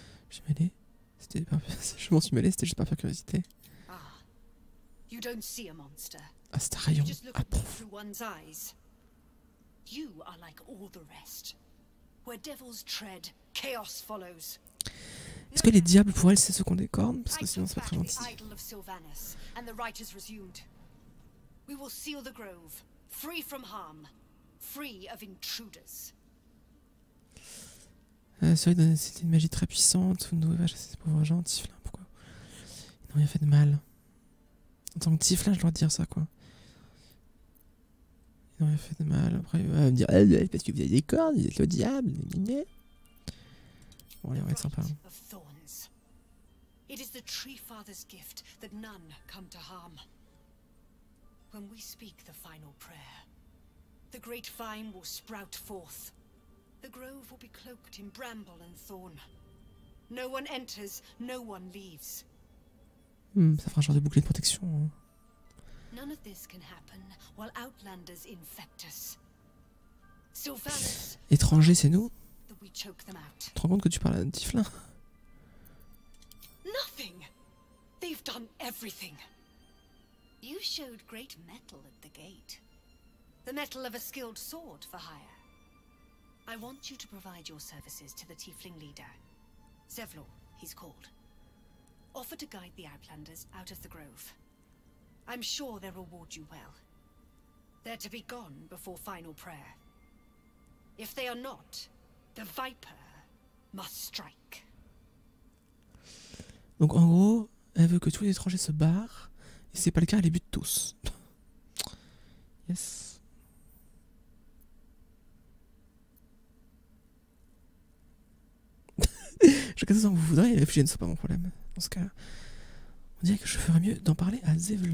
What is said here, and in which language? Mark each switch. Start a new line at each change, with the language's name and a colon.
French: Je m'en suis mêlé, c'était juste par pure curiosité. Ah,
English: you don't see a monster.
French: Ah, c'est un rayon.
English: Just look through one's eyes. You are like all the rest. Where devils tread, chaos follows.
French: Est-ce que les diables pour elle c'est ceux qu'on décorne? Parce que sinon c'est pas très gentil.
English: The idol of Sylvanas and the rite has resumed. We will seal the grove, free from harm, free of intruders.
French: Celui de c'est une magie très puissante, une nouvelle vache à ces pauvres gens, Tiflin, pourquoi? Ils n'ont rien fait de mal. En tant que Tiflin, je dois dire ça, quoi. Ils n'ont rien fait de mal. Après, il va me dire, eh, parce que vous avez des cornes, vous êtes le diable, les minets. Bon, allez, on va être sympa. Hein.
English: It is the tree father's gift that none come to harm. When we speak the final prayer, the great vine will sprout forth. The grove will be cloaked in bramble and thorn. No one enters, no one leaves.
French: Ça fera un genre de bouclier de protection. Hein.
English: None of this can happen while outlanders infect us.
French: Sylvanas. Étrangers, c'est nous. Tu te rends compte que tu parles à un Tiflin?
English: Nothing. They've done everything. You showed great metal at the gate. The metal of a skilled sword for hire. I want you to provide your services to the Tiefling leader, Zevlor, he's called. Offer to guide the Outlanders out of the grove. I'm sure they'll reward you well. They're to be gone before final prayer. If they are not, the Viper must strike.
French: Donc en gros, elle veut que tous les étrangers se barrent, et c'est pas le cas, elle les bute tous.
English: Yes.
French: Je sais pas si vous voudrez, les réfugiés ne sont pas mon problème. Dans ce cas, on dirait que je ferais mieux d'en parler à Zevlor.